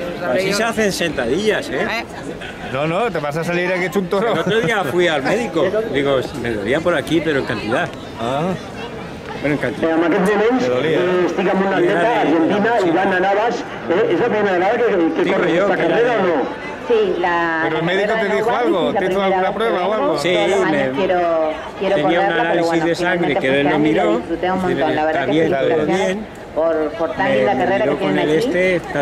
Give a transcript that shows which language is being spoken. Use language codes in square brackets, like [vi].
[es] Así se hacen sentadillas, ¿eh? No, no, te vas a salir aquí hecho un toro. El otro día fui al médico. Digo, me dolía por aquí, pero en cantidad. Ah. Bueno, en cantidad. [ca] En aquests moments, estic amb una atleta argentina, Ivana Navas. [es] ¿Es la primera vegada que corre esta carrera o no? Sí, la... ¿Pero el médico te dijo algo? ¿Te hizo alguna prueba o algo? Sí, me... Tenía un análisis de sangre que él no miró. Está bien, está bien. Por tal y la carrera que tienen aquí, este, está